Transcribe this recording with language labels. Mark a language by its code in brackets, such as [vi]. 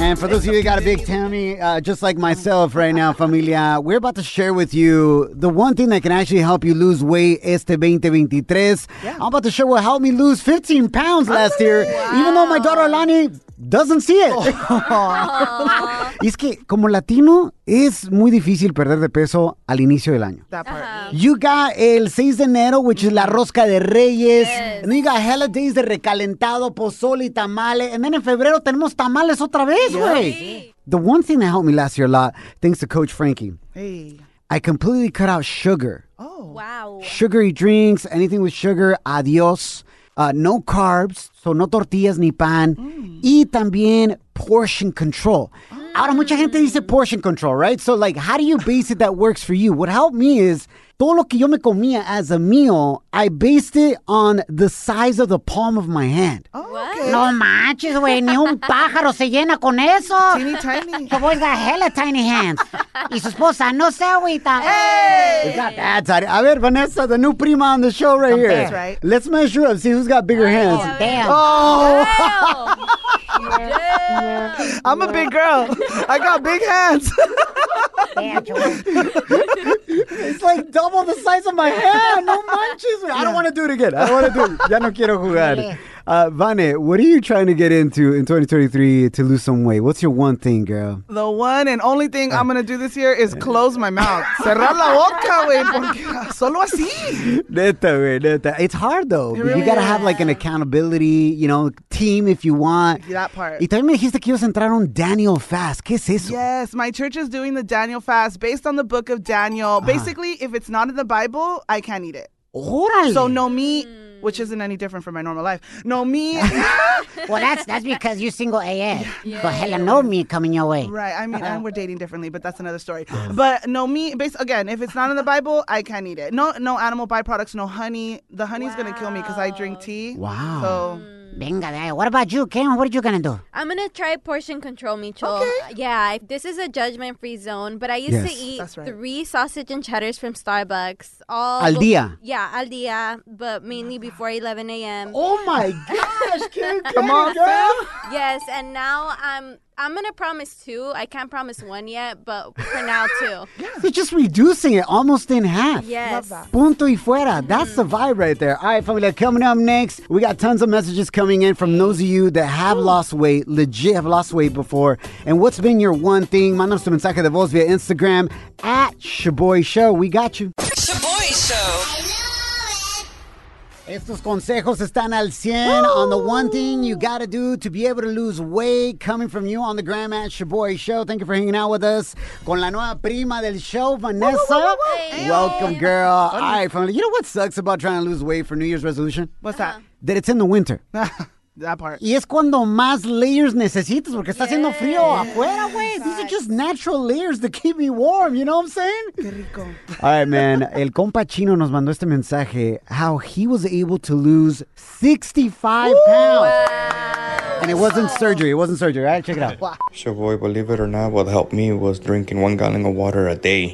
[en] And for those of you that got a big tummy, just like myself right now, familia, we're about to share with you the one thing that can actually help you lose weight este 2023. Yeah. I'm about to share what helped me lose 15 pounds last year, even though my daughter Alani... doesn't see it. Oh. [es] Es que como latino es muy difícil perder de peso al inicio del año. [en] That part. You got [es] el 6 de enero, [en] which is la rosca de Reyes. Yes. And you got hella days [es] de recalentado, pozole y tamales. [en] And then [es] en febrero tenemos tamales otra vez, güey. [en] Yes. The one thing that helped me last year a lot, thanks to Coach Frankie. Hey. I completely cut out sugar. Oh. Wow. Sugary drinks, anything with sugar, adiós. No carbs, so no tortillas [es] ni pan, y también [en] portion control. [es] Ahora, mucha gente dice [en] portion control, right? So, like, how do you base it that works for you? What helped me is, [es] todo lo que yo me comía [en] as a meal, I based it on the size of the palm of my hand. Okay. [es] No manches, güey, ni un pájaro se llena con eso. [en] Teeny tiny. The boy's got hella tiny hands. [es] Y su esposa no se agüita. [en] Hey! It's not that tiny. [es] A ver, [en] Vanessa, the new prima on the show right here. That's right. Let's measure up, see who's got bigger hands. Damn. Oh! Damn. Yeah. I'm a big girl. I got big hands. It's like double the size of my hand. [es] No manches. [en] Yeah. I don't want to do it again. [es] Ya no quiero jugar. [en] Vane, what are you trying to get into in 2023 to lose some weight? What's your one thing, girl? The one and only thing I'm going to do this year is close my mouth. [es] Cerrar la boca, güey, porque solo así. Neta, güey, neta. [en] It's hard, though. Really you got to have, like, an accountability, you know, team if you want. That part. [es] Y también me dijiste que ibas a entrar un Daniel fast. ¿Qué es eso? [en] Yes, my church is doing the Daniel fast based on the book of Daniel. Basically, if it's not in the Bible, I can't eat it. [es] Órale. [en] So no meat. which isn't any different from my normal life. No, me. Well, that's because you're single AF. Yeah. But hella no me coming your way. Right. I mean, and we're dating differently, but that's another story. But no me. Based, again, if it's not in the Bible, I can't eat it. No, no animal byproducts. No honey. The honey's going to kill me because I drink tea. Wow. So. Venga, what about you, Kim? What are you going to do? I'm going to try portion control, Mitchell. Okay. Yeah, this is a judgment-free zone, but I used to eat three sausage and cheddars from Starbucks. [es] Al día. [en] Yeah, al día, but mainly before 11 a.m. Oh, my gosh, Kim. Come on, girl. Yes, and now I'm going to promise two. I can't promise one yet, but for now, two. You're just reducing it almost in half. Yes. [es] Punto y fuera. That's the vibe right there. [en] All right, family, coming up next, we got tons of messages coming in from those of you that have lost weight, legit have lost weight before. And what's been your one thing? [es] Mándanos tu mensaje de voz via Instagram at Shaboy Show. [en] We got you. Shaboy Show. [es] Estos consejos están al 100 [en] on the one thing you got to do to be able to lose weight. Coming from you on the gram at Shaboy Show. Thank you for hanging out with us. [es] Con la nueva prima del show, [en] Vanessa. Hey. Welcome, girl. All right, family. You know what sucks about trying to lose weight for New Year's resolution? What's that? That it's in the winter. That part. [es] Y es cuando más layers necesitas porque está haciendo frío afuera, güey. [en] These are just natural layers to keep me warm, you know what I'm saying? [es] Qué rico. [en] All right, man. [es] El compa Chino nos mandó este mensaje [en] how he was able to lose 65 pounds. Wow. And it wasn't surgery. It wasn't surgery, right? Check it out. Shaboy, believe it or not, what helped me was drinking 1 gallon of water a day.